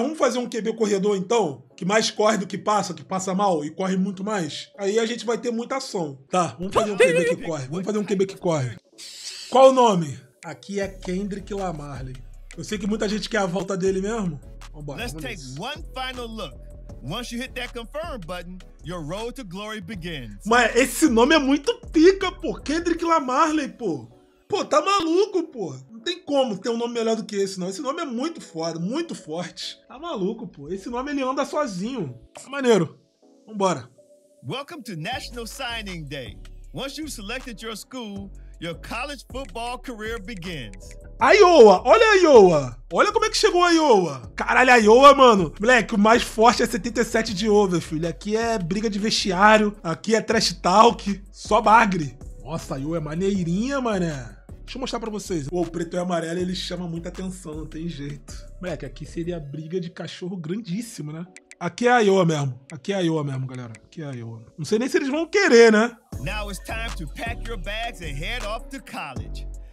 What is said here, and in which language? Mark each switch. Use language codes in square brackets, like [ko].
[pt] Vamos fazer um QB corredor, então? Que mais corre do que passa mal e corre muito mais? Aí a gente vai ter muita ação. Tá, vamos fazer um QB que corre. Vamos fazer um QB que corre. Qual o nome? Aqui é Kendrick Lamar. Eu sei que muita gente quer a volta dele mesmo. Vambora, [en] let's take one final look. Once you hit that confirm button, your road to glory begins. [pt] Mas esse nome é muito pica, pô. Kendrick Lamar, pô. Pô, tá maluco, pô. Não tem como ter um nome melhor do que esse, não. Esse nome é muito foda, muito forte. Tá maluco, pô. Esse nome ele anda sozinho. Tá maneiro. Vambora. [en] Welcome to National Signing Day. Once you've selected your school, your college football career begins. [pt] Iowa, olha a Iowa. Olha como é que chegou a Iowa. Caralho, a Iowa, mano. Moleque, o mais forte é 77 de over, filho. Aqui é briga de vestiário. Aqui é trash talk. Só bagre. Nossa, a Iowa é maneirinha, mané. Deixa eu mostrar pra vocês. O preto e amarelo, ele chama muita atenção, não tem jeito. Moleque, aqui seria briga de cachorro grandíssimo, né? Aqui é a Iowa mesmo. Aqui é a Iowa mesmo, galera. Aqui é a Iowa. Não sei nem se eles vão querer, né? [en] Now it's time to pack your bags and head off to college.